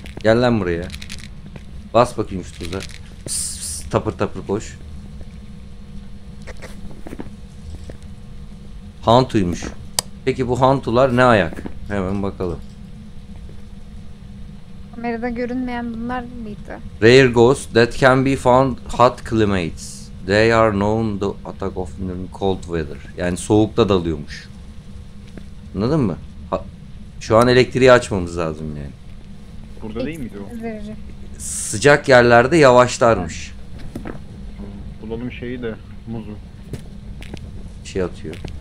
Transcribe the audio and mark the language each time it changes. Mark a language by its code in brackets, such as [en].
[tr] Gel lan buraya. Bas bakayım şu tuza. Tapır tapır koş. Hantuymuş. Peki bu hantular ne ayak? Hemen bakalım. Kamerada görünmeyen bunlar mıydı? [en] Rare ghosts that can be found hot climates. They are known the attack of cold weather. [tr] Yani soğukta dalıyormuş. Anladın mı? Ha, şu an elektriği açmamız lazım yani. Burada değil miydi o? Sıcak yerlerde yavaşlarmış. Bulalım şeyi de muzu. şey atıyor.